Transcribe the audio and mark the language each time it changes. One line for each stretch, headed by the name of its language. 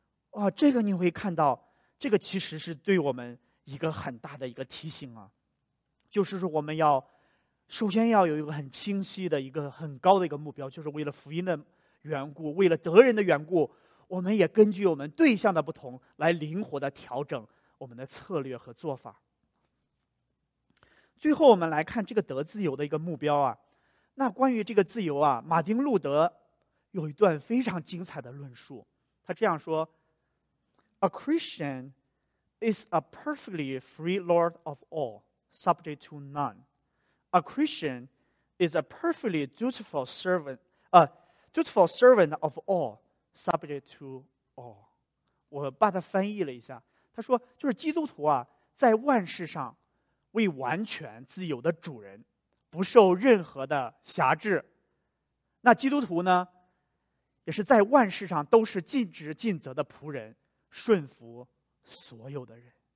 Chinese: 哦，这个你会看到，这个其实是对我们一个很大的一个提醒啊，就是说我们要首先要有一个很清晰的一个很高的一个目标，就是为了福音的缘故，为了得人的缘故，我们也根据我们对象的不同来灵活的调整我们的策略和做法。最后我们来看这个得自由的一个目标啊。那关于这个自由啊，马丁路德有一段非常精彩的论述，他这样说
English: A Christian is a perfectly free Lord of all, subject to none. A Christian is a perfectly dutiful servant, of all, subject to all.
Chinese: 我把它翻译了一下，他说就是基督徒啊，在万事上为完全自由的主人，不受任何的辖制。那基督徒呢，也是在万事上都是尽职尽责的仆人，顺服所有的人。